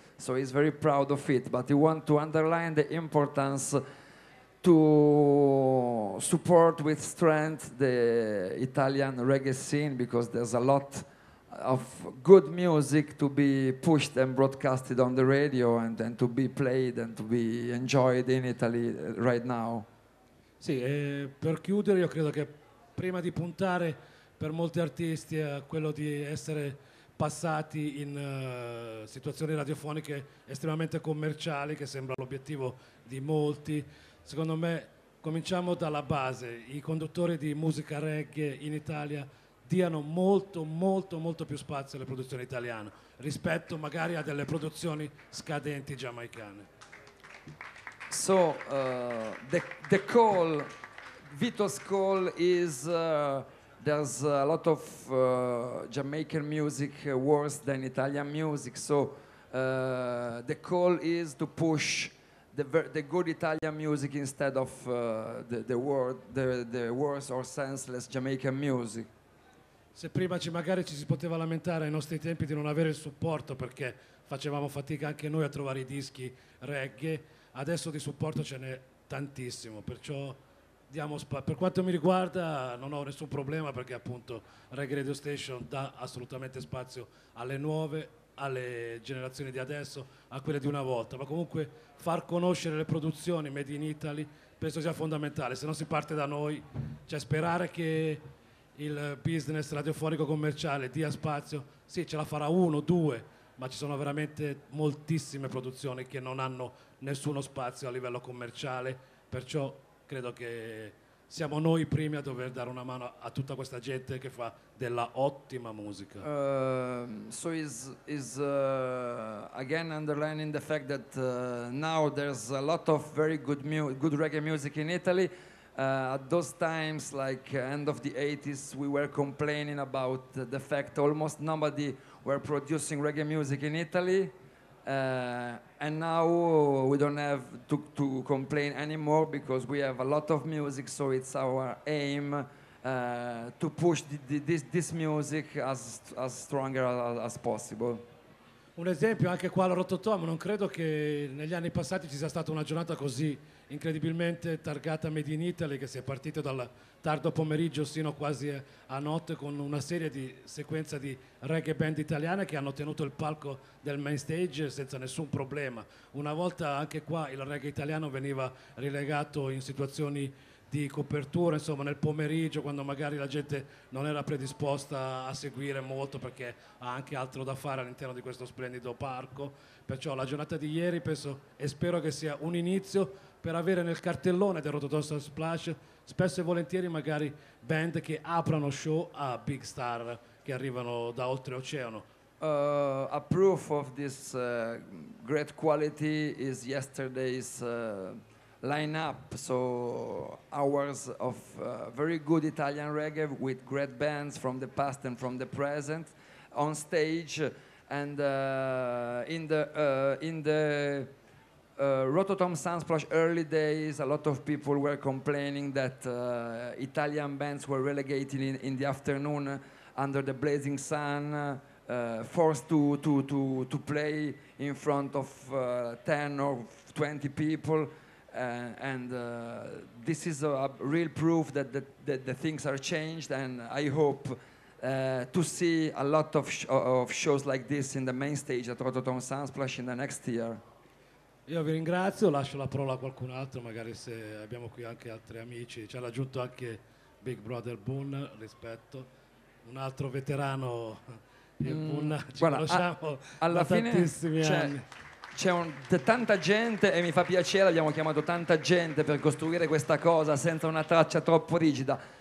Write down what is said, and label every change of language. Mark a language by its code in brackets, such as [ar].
[en] So he's very proud of it, but he want to underline the importance to support with strength the Italian reggae scene, because there's a lot of good music to be pushed and broadcasted on the radio and to be played and to be enjoyed in Italy right now. [it] Sì, e per chiudere io credo che prima di puntare per molti artisti a quello di essere passati in situazioni radiofoniche estremamente commerciali, che sembra l'obiettivo di molti, secondo me cominciamo dalla base. I conduttori di musica reggae in Italia diano molto, molto, molto più spazio alle produzioni italiane rispetto magari a delle produzioni scadenti giamaicane. [en] So, the call, Vito's call is there's a lot of Jamaican music worse than Italian music, so the call is to push the good Italian music instead of the worse or senseless Jamaican music. [it] Se prima magari ci si poteva lamentare ai nostri tempi di non avere il supporto perché facevamo fatica anche noi a trovare i dischi reggae, adesso di supporto ce n'è tantissimo, perciò diamo per quanto mi riguarda non ho nessun problema, perché appunto Reggae Radio Station dà assolutamente spazio alle nuove, alle generazioni di adesso, a quelle di una volta, ma comunque far conoscere le produzioni made in Italy penso sia fondamentale. Se non si parte da noi, cioè sperare che il business radiofonico commerciale dia spazio, sì, ce la farà uno, due, ma ci sono veramente moltissime produzioni che non hanno nessuno spazio a livello commerciale, perciò credo che siamo noi i primi a dover dare una mano a tutta questa gente che fa della ottima musica. [en] So is again underlining the fact that now there's a lot of very good good reggae music in Italy. At those times, like end of the 80s, we were complaining about the fact almost nobody were producing reggae music in Italy. And now we don't have to complain anymore, because we have a lot of music, so it's our aim to push this music as stronger as possible. [it] Un esempio anche qua al Rototom, non credo che negli anni passati ci sia stata una giornata così incredibilmente targata Made in Italy, che si è partito dal tardo pomeriggio sino quasi a notte con una serie di sequenza di reggae band italiane che hanno tenuto il palco del main stage senza nessun problema. Una volta anche qua il reggae italiano veniva relegato in situazioni di copertura, insomma nel pomeriggio, quando magari la gente non era predisposta a seguire molto perché ha anche altro da fare all'interno di questo splendido parco. Perciò la giornata di ieri penso e spero che sia un inizio per avere nel cartellone del Rototom Splash spesso e volentieri magari band che aprano show a big star che arrivano da oltreoceano. [en] A proof of this great quality is yesterday's lineup. So hours of very good Italian reggae with great bands from the past and from the present on stage, and in the Rototom Sunsplash early days, a lot of people were complaining that Italian bands were relegated in the afternoon under the blazing sun, forced to play in front of 10 or 20 people, and this is a real proof that the things are changed, and I hope to see a lot of shows like this in the main stage at Rototom Sunsplash in the next year. [it] Io vi ringrazio, lascio la parola a qualcun altro, magari se abbiamo qui anche altri amici, ci ha raggiunto anche Big Brother Boone, rispetto, un altro veterano di Boone, ci conosciamo alla fine tantissimi anni. C'è tanta gente e mi fa piacere, abbiamo chiamato tanta gente per costruire questa cosa senza una traccia troppo rigida.